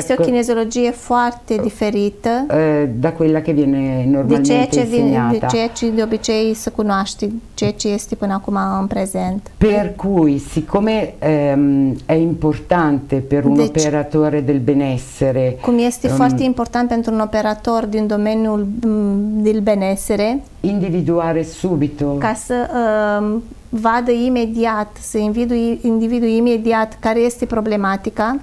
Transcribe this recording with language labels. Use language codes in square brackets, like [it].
[ro] Este o kinesiologie foarte diferită [it] da quella che viene normalmente insegnata. [ro] De ceea ce de obicei să cunoaști, ceea ce este până acum în prezent. [it] Per cui, siccome è importante per un operatore del benessere. [ro] Cum este foarte important pentru un operator din domeniul [it] del benessere. Individuare subito. [ro] Ca să vadă imediat, să individui imediat care este problematica.